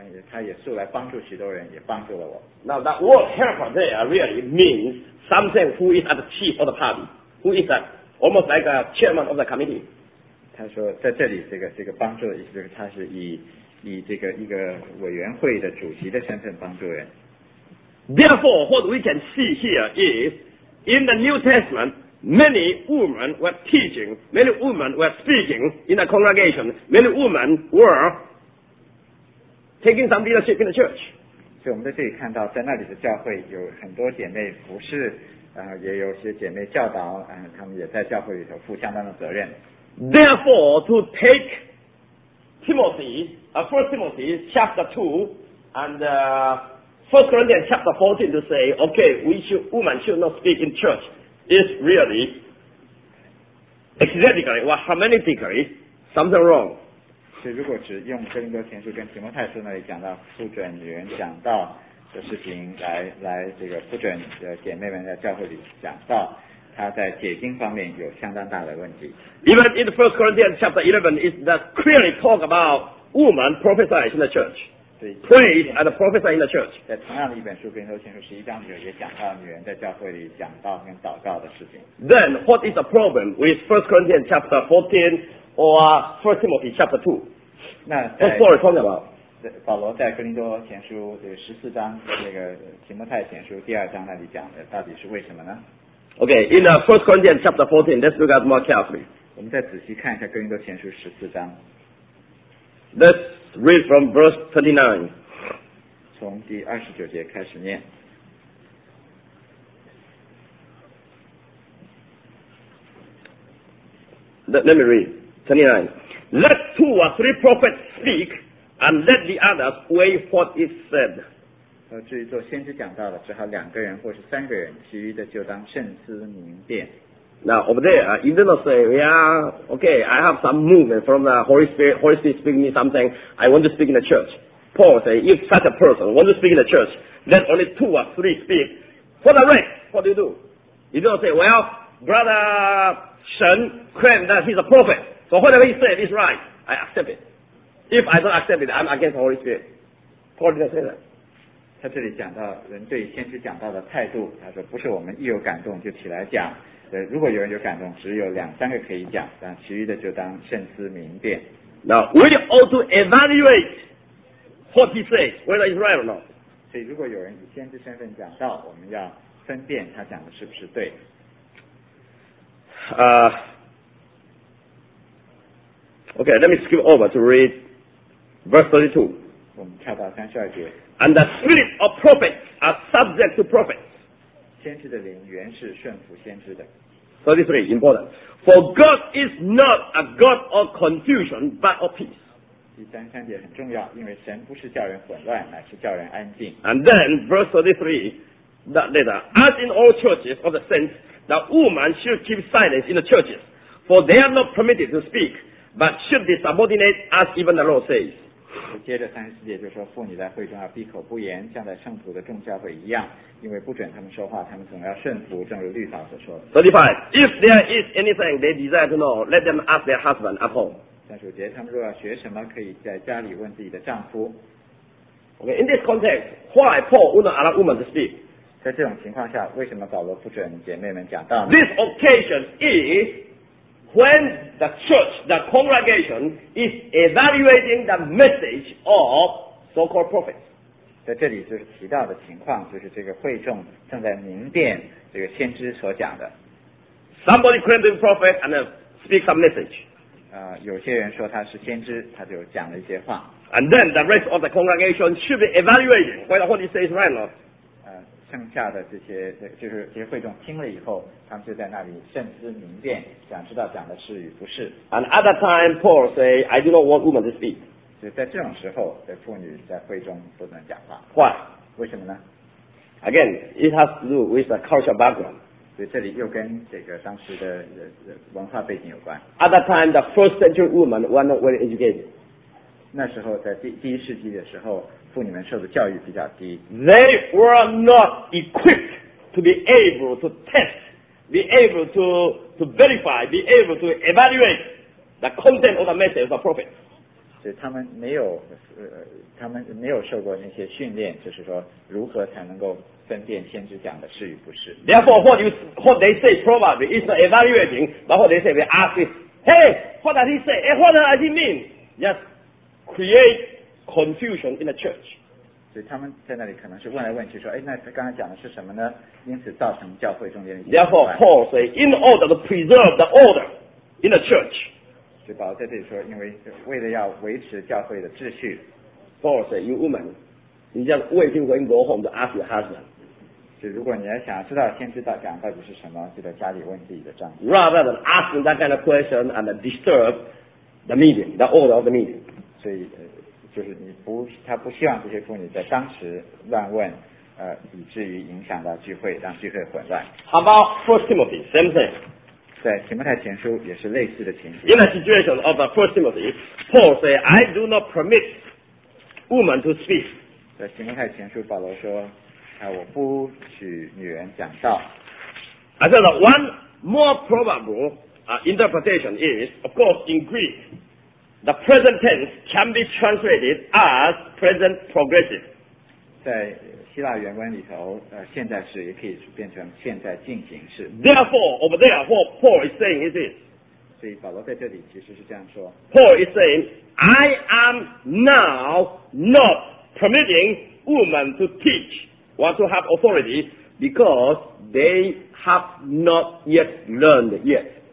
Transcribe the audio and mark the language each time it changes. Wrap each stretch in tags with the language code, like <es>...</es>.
<zh>他也素来帮助许多人，也帮助了我。</zh> <en>Now that word helper there really means something who is at the chief of the party, who is a, almost like a chairman of the committee.</en> <zh>他说在这里这个帮助的意思就是他是以这个一个委员会的主席的身份帮助人。</zh> <en>Therefore, what we can see here is in the New Testament, many women were teaching, many women were speaking in the congregation, many women were. Taking some leadership in the church.</en> <zh>所以我们在这里看到，在那里的教会有很多姐妹服侍，也有些姐妹教导，她们也在教会里头负相当的责任。</zh> <en>Therefore, to take Timothy, First Timothy chapter 2 and First Corinthians chapter 14 to say, okay, women should not speak in church is really exegetically or hermeneutically something wrong.</en> <zh>所以如果只用哥林多前书跟提摩太书那里讲到不准女人讲道的事情来这个不准姐妹们在教会里讲道，他在解经方面有相当大的问题。</zh> <en>Even in 1 Corinthians chapter 11 is that clearly talk about woman prophesying in the church, praise and prophesy in the church.</en> <zh>在同样的一本书哥林多前书11章里也讲到女人在教会里讲道跟祷告的事情。</zh> <en>Then what is the problem with 1 Corinthians chapter 14or First Timothy chapter 2. What's Paul talking about?</en> <zh>保罗在哥林多前书十四章那个提摩太前书第二章那里讲的到底是为什么呢？</zh> <en>Okay, in First Corinthians chapter 14, let's look at more carefully.</en> <zh>我们再仔细看一下哥林多前书十四章。</zh> <en>Let's read from verse 29.</en> <zh>从第二十九节开始念。</zh> <en>Let me read. 29. Let two or three prophets speak, and let the others weigh what is said.</en> <zh>至于做先知讲道的，只好两个人或是三个人，其余的就当慎思明辨。</zh> <en>Now over there, you do not say, yeah, okay, I have some movement from the Holy Spirit. Holy Spirit speaking me something. I want to speak in the church. Paul say, if such a person want to speak in the church, let only two or three speak. For the rest, what do you do? You do not say, well, brother Shen claim that he's a prophet. So whatever he said is right. I accept it. If I don't accept it, I'm against the Holy Spirit. Paul didn't say that.</en> <zh>他这里讲到人对先知讲到的态度，他说不是我们一有感动就起来讲。如果有人有感动，只有两三个可以讲，但其余的就当慎思明辨。</zh> <en>Now we ought to evaluate what he says, whether it's right or not.</en> <zh>所以如果有人以先知身份讲到，我们要分辨他讲的是不是对。</zh> <en>Okay, let me skip over to read verse 32.</en> <zh>我们跳到三十二节。</zh> <en>And the spirit of prophets are subject to prophets.</en> <zh>先知的灵原是顺服先知的。</zh> <en>33, important. For God is not a God of confusion, but of peace.</en> <zh>第三节很重要，因为神不是叫人混乱，乃是叫人安静。</zh> <en>And then, verse 33, that later, as in all churches of the saints, the woman should keep silence in the churches, for they are not permitted to speak. But should be subordinate as even the Lord says.</en> <zh>接着三十四节就说妇女在会中要闭口不言，像在圣徒的众教会一样，因为不准他们说话，他们总要顺服，正如律法所说的。</zh> <en>35. If there is anything they desire to know, let them ask their husband at home.</en> <zh>三十五节，他们若要学什么，可以在家里问自己的丈夫。</zh> <en>Okay, in this context, why Paul would not allow women to speak?</en> <zh>在这种情况下，为什么保罗不准姐妹们讲道呢？</zh> <en>This occasion is when the church, the congregation is evaluating the message of so-called prophets.</en> <zh>在这里就是提到的情况，就是这个会众正在明辨这个先知所讲的。</zh> <en>Somebody claims to be a prophet and speak some message.</en> <zh>有些人说他是先知，他就讲了一些话。</zh> <en>And then the rest of the congregation should be evaluating whether what he says is right or not.</en> <zh>剩下的这些，就是这些会众听了以后，他们就在那里慎思明辨，想知道讲的是与不是。</zh> <en>And at that time, Paul say, I do not want women to speak.</en> <zh>就在这种时候，这妇女在会中不能讲话。</zh> <en>Why?</en> <zh>为什么呢？</zh> <en>Again, it has to do with the cultural background.</en> <zh>所以这里又跟这个当时的文化背景有关。</zh> <en>At that time, the first century women were not very educated.</en> <zh>那时候在第一世纪的时候，妇女们受的教育比较低。</zh> <en>They were not equipped to be able to test, be able to verify, be able to evaluate the content of the message of the prophet.</en> <zh>所以他们没有受过那些训练，就是说如何才能够分辨先知讲的是与不是。</zh> <en>Therefore, what they say probably is not evaluating, but what they say, they ask is, hey, what does he say? Hey, what does he mean? Just create confusion in the church.</en> <zh>所以他们在那里可能是问来问去说，哎，那他刚才讲的是什么呢？因此造成教会中间的。</zh> <en>Therefore, Paul say, in order to preserve the order in the church.</en> <zh>所以保罗在这里说，因为为了要维持教会的秩序</zh> <en>，Paul say, you woman.</en> <zh>你这样未经问过后，我们就</zh> <en>ask your husband。</en> <zh>就如果你要想知道先知道讲到底是什么，就在家里问自己的丈夫。</zh> <en>Rather than asking that kind of question and disturb the meeting, the order of the meeting。</en> <zh>所以，就是你不，他不希望这些妇女在当时乱问，以至于影响到聚会，让聚会混乱。</zh> <en>How about First Timothy? Same thing。</en> <zh>在提摩太前书也是类似的情形。</zh> <en>In the situation of First Timothy, Paul say, "I do not permit women to speak."</en> <zh>在提摩太前书，保罗说：“我不许女人讲道。”</zh> <en>I said one more probable interpretation is, of course, in Greek, the present tense can be translated as present progressive.</en> <zh>在希腊原文里头，现在时也可以变成现在进行式。</zh> <en>Therefore, over there, what Paul is saying is this.</en> <zh>所以保罗在这里其实是这样说。</zh> <en>Paul is saying, I am now not. Permitting women to teach or to have authority because they have not yet learned yet.</en>